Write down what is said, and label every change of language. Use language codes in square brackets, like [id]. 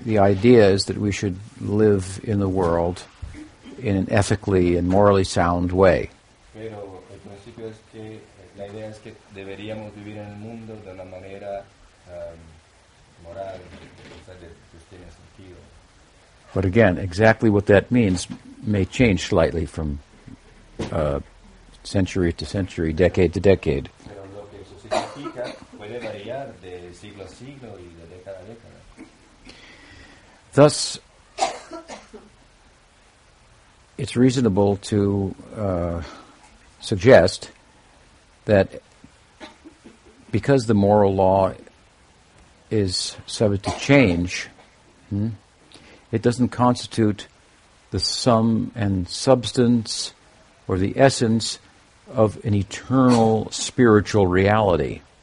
[en] the idea is that we should live in the world in an ethically and morally sound way. [es] Pero el principio es que la idea es que deberíamos vivir en el mundo de una manera moral, que tiene sentido. [en] But again, exactly what that means may change slightly from century to century, decade to decade. [es] Pero lo que eso significa puede variar de siglo a siglo y de década a década. [en] Thus, it's reasonable to suggest that because the moral law is subject to change, it doesn't constitute the sum and substance or the essence of an eternal spiritual reality.